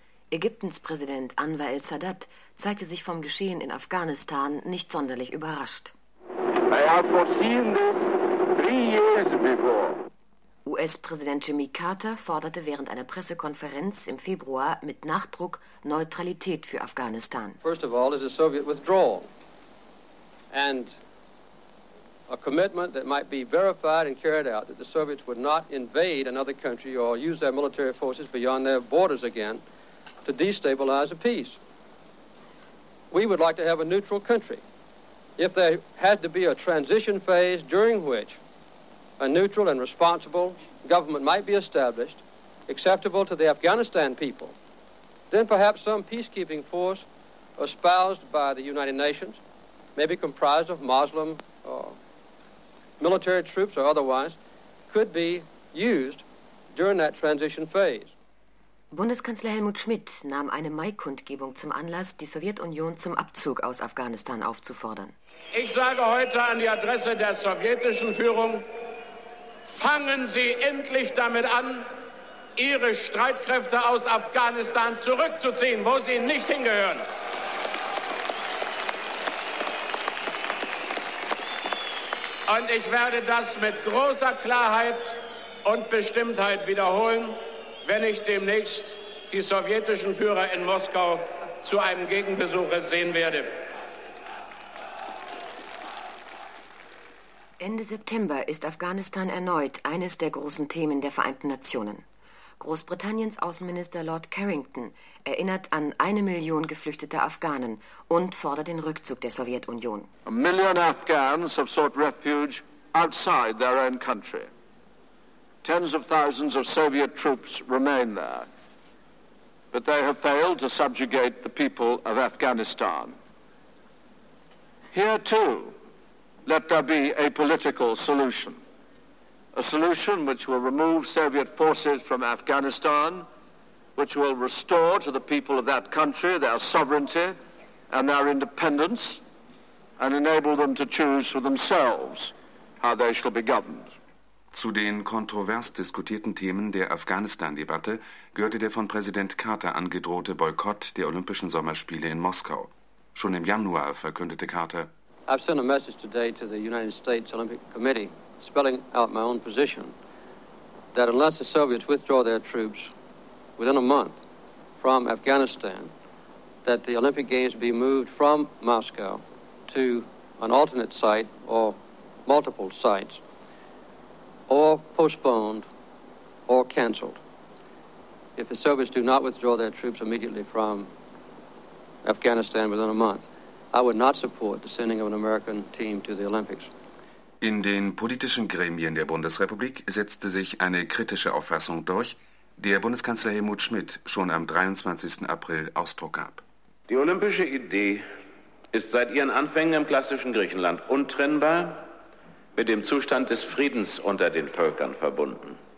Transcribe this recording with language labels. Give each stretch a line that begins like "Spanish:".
German: Ägyptens Präsident Anwar el-Sadat zeigte sich vom Geschehen in Afghanistan nicht sonderlich überrascht.
English: I have foreseen this 3 years before.
German: US-Präsident Jimmy Carter forderte während einer Pressekonferenz im Februar mit Nachdruck Neutralität für Afghanistan.
English: First of all is a Soviet withdrawal and a commitment that might be verified and carried out that the Soviets would not invade another country or use their military forces beyond their borders again to destabilize a peace. We would like to have a neutral country. If there had to be a transition phase during which a neutral and responsible government might be established, acceptable to the Afghanistan people, then perhaps some peacekeeping force espoused by the United Nations, maybe comprised of Muslim or military troops or otherwise, could be used during that transition phase.
German: Bundeskanzler Helmut Schmidt nahm eine Mai-Kundgebung zum Anlass, die Sowjetunion zum Abzug aus Afghanistan aufzufordern. Ich sage heute an die Adresse der sowjetischen Führung, fangen Sie endlich damit an, Ihre Streitkräfte aus Afghanistan zurückzuziehen, wo sie nicht hingehören. Und ich werde das mit großer Klarheit und Bestimmtheit wiederholen, wenn ich demnächst die sowjetischen Führer in Moskau zu einem Gegenbesuch sehen werde. Ende September ist Afghanistan erneut eines der großen Themen der Vereinten Nationen. Großbritanniens Außenminister Lord Carrington erinnert an 1 Million geflüchtete Afghanen und fordert den Rückzug der Sowjetunion.
English: 1 Million Afghans have sought refuge outside their own country. Tens of thousands of Soviet troops remain there. But they have failed to subjugate the people of Afghanistan. Here too, let there be a political solution. A solution which will remove Soviet forces from Afghanistan, which will restore to the people of that country their sovereignty and their independence, and enable them to choose for themselves how they shall be governed.
German: Zu den kontrovers diskutierten Themen der Afghanistan-Debatte gehörte der von Präsident Carter angedrohte Boykott der Olympischen Sommerspiele in Moskau. Schon im Januar verkündete Carter:
English: I've sent a message today to the United States Olympic Committee, spelling out my own position, that unless the Soviets withdraw their troops within a month from Afghanistan, that the Olympic Games be moved from Moscow to an alternate site or multiple sites, or postponed or canceled if the Soviets do not withdraw their troops immediately from Afghanistan within a month. I would not support the sending of an American team to the Olympics.
German: In den politischen Gremien der Bundesrepublik setzte sich eine kritische Auffassung durch, der Bundeskanzler Helmut Schmidt schon am 23. April Ausdruck gab. Die olympische Idee ist seit ihren Anfängen im klassischen Griechenland untrennbar mit dem Zustand des Friedens unter den Völkern verbunden.